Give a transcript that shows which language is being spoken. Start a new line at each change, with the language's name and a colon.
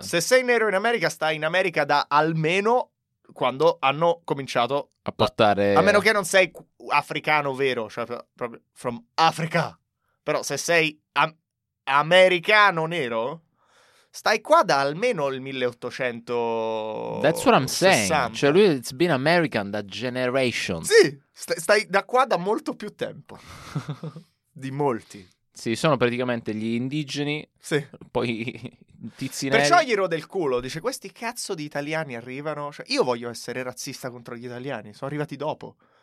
Italian: Se sei nero in America stai in America da almeno quando hanno cominciato a portare. A meno che non sei africano vero, cioè proprio
English: from Africa.
Italian: Però se sei americano nero stai qua da almeno il 1800.
English: That's what I'm saying.
Italian: Cioè lui,
English: it's been American
Italian: da
English: generation.
Italian: Sì, stai da qua da molto più tempo. Di molti. Sì, sono praticamente gli indigeni. Sì. Poi tizi neri. Perciò gli rode il culo. Dice, questi cazzo di italiani arrivano. Cioè, io voglio essere razzista contro gli italiani. Sono arrivati dopo.